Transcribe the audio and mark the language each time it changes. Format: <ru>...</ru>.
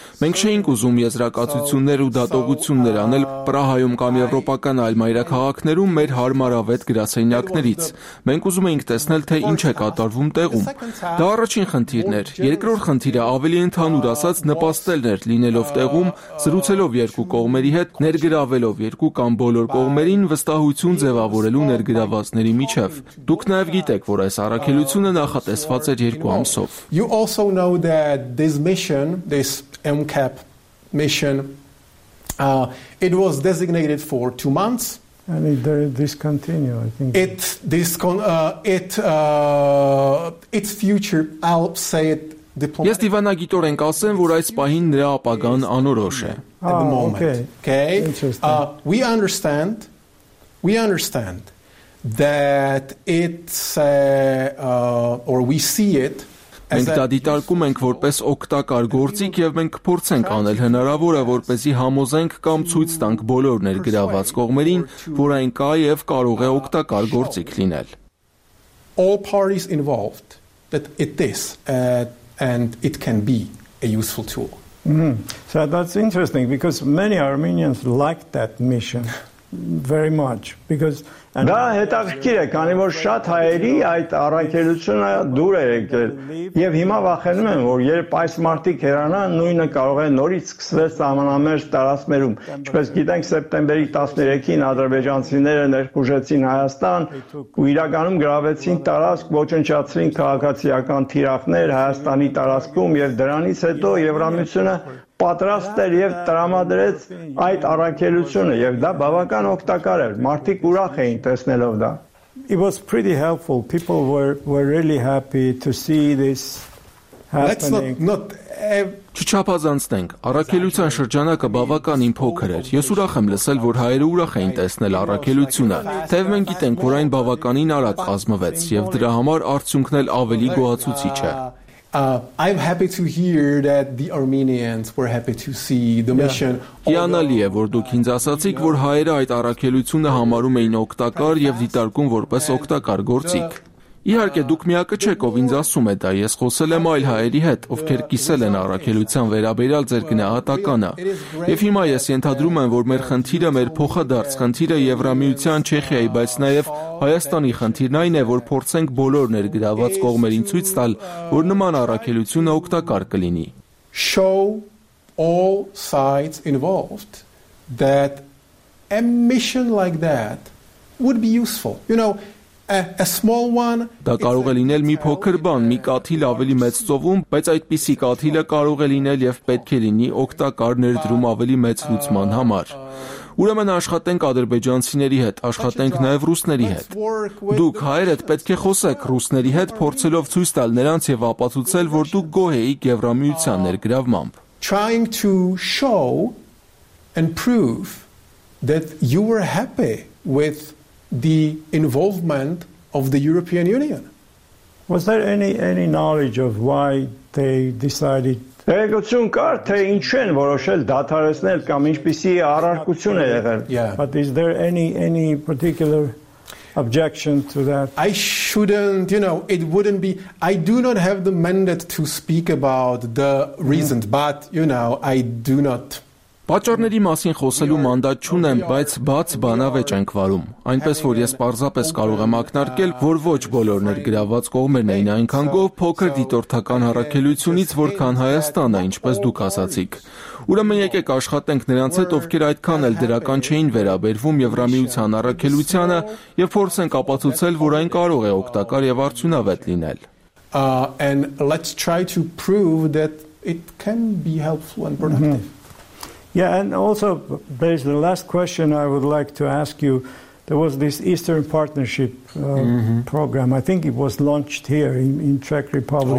<hy>Մենք չէինք ուզում եզրակացություններ ու դատողություններ անել Պրահայում կամ Եվրոպական այլ մայրաքաղաքներում մեր հարմարավետ գրասենյակներից։ Մենք ուզում էինք տեսնել, թե ինչ է կատարվում տեղում։ Դա առաջին խնդիրն էր։ Երկրորդ խնդիրը ավելի ընդհանուր ասած նպաստելն էր, լինելով տեղում, զրուցելով երկու կողմերի հետ, ներգրավելով երկու կամ բոլոր կողմերին վստահություն ձևավորելու ներգրավածների միջև։ Դուք նաև գիտեք, որ այս առաքելությունը նախատեսված էր երկու ամսով։</hy> <en>You also know that this mission, this MCAP mission, it was designated for 2 months and it discontinued, I think. Its future, I'll say it diplomatically.</en> <hy>Ես դիվանագիտորեն կասեմ, որ այս պահին նրա ապագան անորոշ է.</hy> <en>Okay. We understand that it's or we see it.</en> <hy>Մենք դա դիտարկում ենք որպես օգտակար գործիք եւ մենք փորձենք անել հնարավորը, որպեսզի համոզենք կամ ցույց տանք բոլոր ներգրաված կողմերին, որ այն կա եւ կարող է օգտակար գործիք լինել։</hy> <en>All parties involved that it is and it can be a useful tool. Mm-hmm. So that's interesting because many Armenians like that mission very much because</en> <hy>Դա հետաքրքիր է, քանի որ շատ հայերի այդ առաքելությունը դուր է եկել։ Եվ հիմա վախենում եմ, որ երբ այս մարտի կերանան, նույնը կարող է նորից սկսվել ճամանամերջ տարածմերում։ Ինչպես գիտենք, սեպտեմբերի 13-ին ադրբեջանցիները ներխուժեցին Հայաստան ու իրականում գրավեցին տարածք, ոչնչացրին քաղաքացիական թիրախներ Հայաստանի տարածքում, եւ դրանից հետո Եվրամիությունը պատրաստ էր եւ տրամադրեց այդ առաքելությունը եւ դա բավական օգտակար էր մարդիկ ուրախ էին տեսնելով դա</hy> <en>It was pretty helpful people were really happy to see this happening</en> <hy>Չչափազանցնենք, առաքելության շրջանակը բավականին փոքր էր։ Ես ուրախ եմ լսել, որ հայերը ուրախ էին տեսնել առաքելությունը, թեև մենք գիտենք, որ այն բավականին արագ կազմվեց, և դրա համար արդյունքն էլ ավելի գոհացուցիչ է։</hy> <en>I'm happy to hear that the Armenians were happy to see the mission.</en> <hy>Հիանալի է, որ դուք ինձ ասացիք, որ հայերը այդ առաքելությունը համարում էին օգտակար և դիտարկում որպես օգտակար գործիք։ Իհարկե դուք միակը չեք, ով ինձ ասում է դա։ Ես խոսել եմ այլ հայերի հետ, ովքեր կիսել են առաքելության վերաբերյալ ձեր գնահատականը։ Եվ հիմա ես ենթադրում եմ, որ մեր խնդիրը, մեր փոխադարձ խնդիրը Եվրամիության, Չեխիայի, բայց նաև Հայաստանի խնդիրն այն է, որ փորձենք բոլոր ներգրաված կողմերին ցույց տալ, որ նման առաքելությունը օգտակար կլինի։</hy> <en>Show all sides involved that a mission like that would be useful. You know, a small one</en> <hy>դա կարող է լինել մի փոքր բան, մի կաթիլ ավելի մեծ ծովում, բայց այդպիսի կաթիլը կարող է լինել եւ պետք է լինի օգտակար ներդրում ավելի մեծ լուծման համար։ Ուրեմն աշխատենք ադրբեջանցիների հետ, աշխատենք նաեւ ռուսների հետ։ Դուք հայերդ պետք է խոսեք ռուսների հետ, փորձելով ցույց տալ նրանց եւ ապացուցել, որ դուք գոհ եք Եվրամիության ներգրավմամբ։</hy> <en>Trying to show and prove that you were happy with the involvement of the European Union. Was there any knowledge of why they decided</en> <hy>Տեղեկություն կար, թե ինչու են որոշել դադարեցնել կամ ինչպիսի առարկություն է եղել.</hy> <en>But is there any particular objection to that? I shouldn't, you know, it wouldn't be, I do not have the mandate to speak about the reasons, but, you know, I do not</en> <hy>Պաճառների մասին խոսելու մանդատ չունեմ, բայց բաց բանավեճ ենք վարում, այնպես որ ես պարզապես կարող եմ ակնարկել, որ ոչ բոլոր ներգրաված կողմերն էին այնքան գով փոքր դիտորդական առաքելությունից, որքան Հայաստանը, ինչպես դուք ասացիք։ Ուրեմն եկեք աշխատենք նրանց հետ, ովքեր այդքան էլ դրական չէին վերաբերվում Եվրամիության առաքելությանը, և փորձենք ապացուցել, որ այն կարող է օգտակար և արդյունավետ լինել։</hy> <en>And let's try to prove that it can be helpful and productive. Yeah, and also, there's the last question I would like to ask you. There was this Eastern Partnership program. I think it was launched here in Czech Republic.</en>